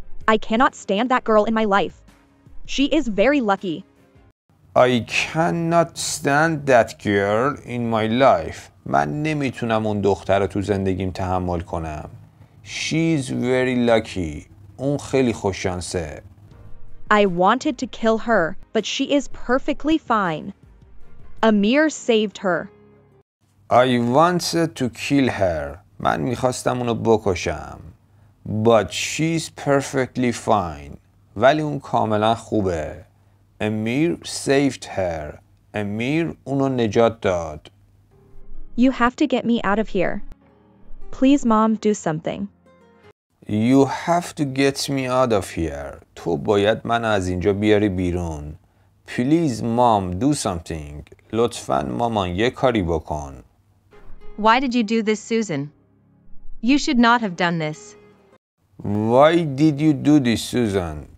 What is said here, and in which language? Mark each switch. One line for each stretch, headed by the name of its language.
English: I cannot stand that girl in my life. She is very lucky. I cannot stand that girl in my life.
Persian: من نمیتونم اون دختر رو تو زندگیم تحمل کنم.
English: She is very lucky.
Persian: اون خیلی خوششانسه.
English: I wanted to kill her, but she is perfectly fine. Amir saved her. I wanted to kill her.
Persian: من میخواستم اونو بکشم.
English: But she's perfectly fine.
Persian: ولی اون کاملا خوبه.
English: Amir saved her.
Persian: Amir اونو نجات داد.
English: You have to get me out of here. Please, mom, do something. You have to get me out of here.
Persian: تو باید من از اینجا بیاری بیرون.
English: Please, mom, do something.
Persian: لطفاً مامان یه کاری بکن.
English: Why did you do this, Susan? You should not have done this. Why did you do this, Susan?